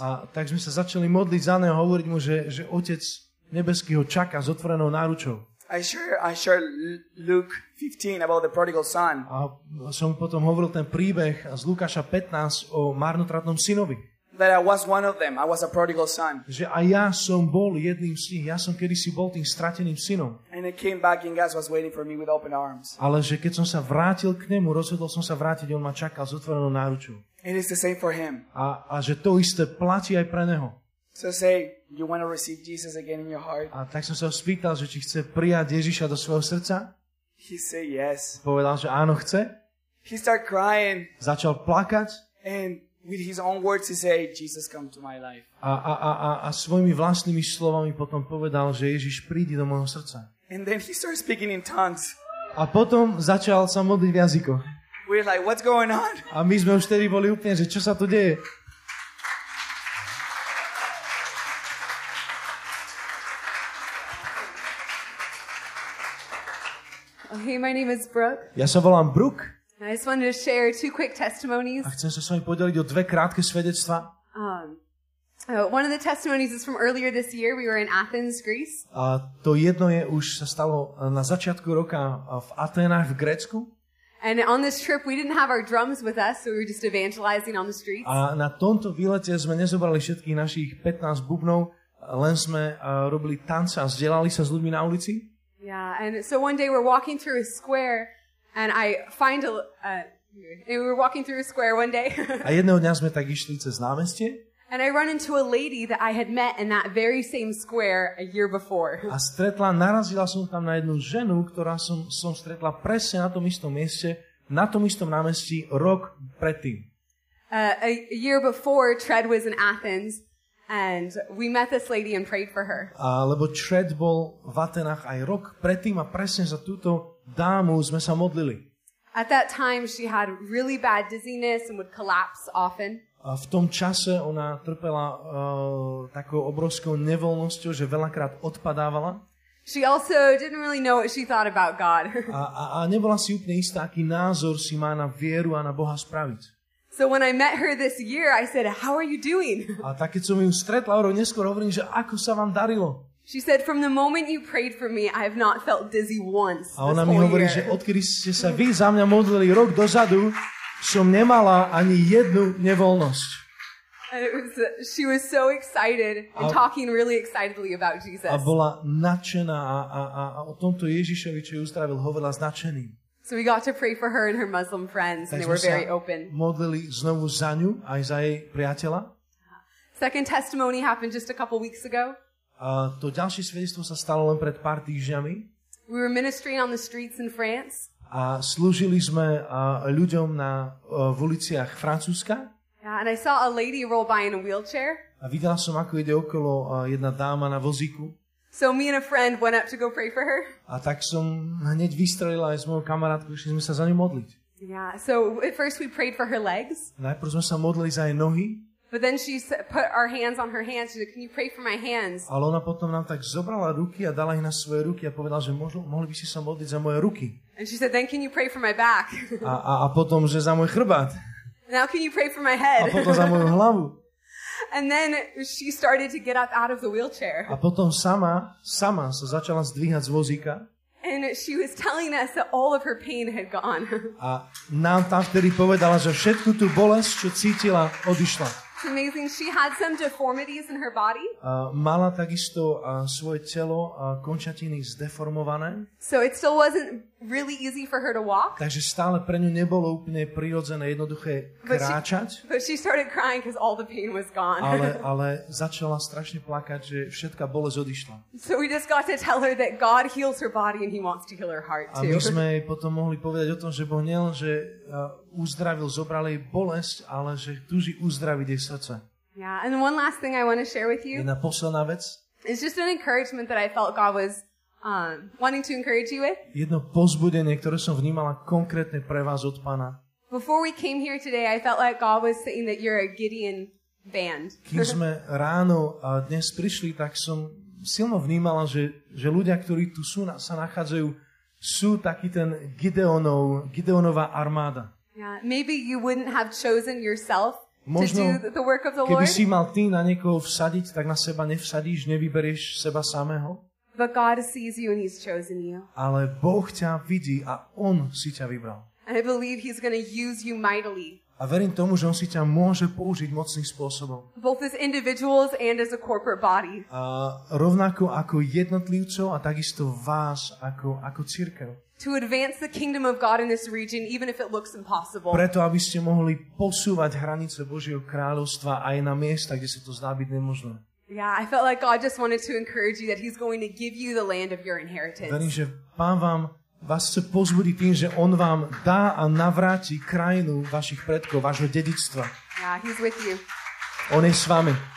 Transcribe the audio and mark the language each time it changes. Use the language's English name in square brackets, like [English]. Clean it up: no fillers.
[Slovak] A tak sme sa začali modliť za neho, hovoriť mu, že Otec nebeský ho čaká s otvorenou náručou. [English] I share Luke 15 about the prodigal son. [Slovak] A som potom hovoril ten príbeh z Lukáša 15 o marnotratnom synovi. [English] That I was one of them. I was a prodigal son. [Slovak] Že aj ja som bol jedným z nich. Ja som kedysi bol tým strateným synom. [English] And I came back and God was waiting for me with open arms. [Slovak] Ale že keď som sa vrátil k nemu, rozhodol som sa vrátiť, on ma čakal s otvorenou náručou. [English] It is the same for him. [Slovak] A že to isté platí aj pre neho. [English] So say, you want to receive Jesus again in your heart? [Slovak] A tak som sa ho spýtal, že či chce prijať Ježiša do svojho srdca? [English] He said yes. [Slovak] Povedal, že áno, chce. [English] He started crying. [Slovak] Začal plakať. [English] And with his own words he said, Jesus come to my life. [Slovak] A svojimi vlastnými slovami potom povedal, že Ježiš príde do môjho srdca. [English] And then he started speaking in tongues. [Slovak] A potom začal sa modliť v jazykoch. [English] We're like, what's going on? [Slovak] A my sme už vtedy boli úplne, že čo sa tu deje? [English] Hey, my name is Brooke. [Slovak] Ja sa volám Brooke. [English] I just wanted to share two quick testimonies. [Slovak] A chcem sa s vami podeliť o dve krátke svedectvá. [English] One of the testimonies is from earlier this year. We were in Athens, Greece. [Slovak] A to jedno je už sa stalo na začiatku roka v Atenách v Grécku. [English] And on this trip we didn't have our drums with us, so we were just evangelizing on the streets. [Slovak] A na tomto výlete sme nezobrali všetkých našich 15 bubnov, len sme robili tance a zdieľali sa s ľuďmi na ulici. [English] Yeah, and so one day we're walking through a square and I find we were walking through a square one day. [Slovak] A jedného dňa sme tak išli cez námestie. [English] And I run into a lady that I had met in that very same square a year before. [Slovak] A stretla, narazila som tam na jednu ženu, ktorá som stretla presne na tom istom mieste, na tom istom námestí rok predtým. [English] A year before Tred was in Athens And we met this lady and prayed for her. [Slovak] Lebo Tred bol v Atenách aj rok predtým a presne za túto dámu sme sa modlili. [English] At that time she had really bad dizziness and would collapse often. [Slovak] A v tom čase ona trpela takou obrovskou nevoľnosťou, že veľakrát odpadávala. [English] She also didn't really know what she thought about God. [Slovak] A nebola si úplne istá, aký názor si má na vieru a na Boha spraviť. [English] So when I met her this year, I said, "How are you doing?" [Slovak] A tak keď som ju stretla o rok neskôr, hovorím, že ako sa vám darilo? [English] She said, "From the moment you prayed for me, I have not felt dizzy once." [Slovak] A ona mi hovorí, že odkedy ste sa vy za mňa modlili rok dozadu, som nemala ani jednu nevoľnosť. [English] She was so excited and talking really excitedly about Jesus. [Slovak] A bola nadšená a o tomto Ježišovi, čo ju uzdravil, hovorila s nadšením. [English] So we got to pray for her and her Muslim friends, [Slovak] tak [English] and they were very open. [Slovak] Modlili znovu za ňu aj za jej priateľa. [English] Second testimony happened just a couple weeks ago. [Slovak] To ďalšie svedectvo sa stalo len pred pár týždňami. [English] We were ministering on the streets in France. [Slovak] A slúžili sme ľuďom na v uliciach Francúzska. [English] Yeah, and I saw a lady roll by in a wheelchair. [Slovak] A videla som, ako ide okolo jedna dáma na vozíku. [English] So me and a friend went up to go pray for her. [Slovak] A tak som hneď vystrelila aj s mojou kamarátkou, išli sme sa za ňu modliť. [English] Yeah, so at first we prayed for her legs. [Slovak] Najprv sme sa modlili za jej nohy. [English] But then she put our hands on her hands. She said, "Can you pray for my hands?" [Slovak] Ale ona potom nám tak zobrala ruky a dala ich na svoje ruky a povedala, že mohli by si sa modliť za moje ruky. [English] And she said, "Then can you pray for my back?" [Slovak] A potom, že za môj chrbát. [English] Now can you pray for my head? [Slovak] A potom za moju hlavu. [English] And then she started to get up out of the wheelchair. [Slovak] A potom sama sa začala zdvíhať z vozíka. [English] And she was telling us that all of her pain had gone. [Slovak] A nám tam vtedy povedala, že všetku tú bolesť, čo cítila, odišla. [English] It's amazing. She had some deformities in her body. [Slovak] Mala takisto svoje telo a končatiny zdeformované. [English] So it still wasn't really easy for her to walk. [Slovak] Takže stále pre ňu nebolo úplne prirodzené, jednoduché kráčať. [English] But she started crying because all the pain was gone. [Slovak] Ale začala strašne plakať, že všetka bolesť odišla. [English] So we just got to tell her that God heals her body and he wants to heal her heart too. [Slovak] A my sme jej potom mohli povedať o tom, že Boh nielen, že uzdravil, zobral jej bolesť, ale že túži uzdraviť jej srdce. [English] Yeah, and one last thing I want to share with you. [Slovak] Jedna posledná vec. [English] It's just an encouragement that I felt God was wanting to encourage you with. [Slovak] Jedno povzbudenie, ktoré som vnímala konkrétne pre vás od Pána. [English] Before we came here today, I felt like God was saying that you're a Gideon band. [Slovak] Keď sme ráno dnes prišli, tak som silno vnímala, že ľudia, ktorí tu sú, sa nachádzajú, sú taký ten Gideonová armáda. [English] Yeah, maybe you wouldn't have chosen yourself to do the work of the Lord. [Slovak] Možno, keby si mal ty na niekoho vsadiť, tak na seba nevsadíš, nevyberieš seba samého. [English] But God sees you and he's chosen you. [Slovak] Ale Boh ťa vidí a on si ťa vybral. [English] And I believe he's going to use you mightily. [Slovak] A verím tomu, že on si ťa môže použiť mocným spôsobom. [English] Both as individuals and as a corporate body. [Slovak] A rovnako ako jednotlivcov a takisto vás ako cirkev. [English] To advance the kingdom of God in this region even if it looks impossible. [Slovak] Preto aby ste mohli posúvať hranice Božieho kráľovstva aj na miesta, kde sa to zdá byť nemožné. [English] Yeah, I felt like God just wanted to encourage you that he's going to give you the land of your inheritance. [Slovak] Verím, že Pán vás chce pozbudiť tým, že on vám dá a navráti krajinu vašich predkov, vášho dedičstva. [English] Yeah, he's with you. [Slovak] On je s vami.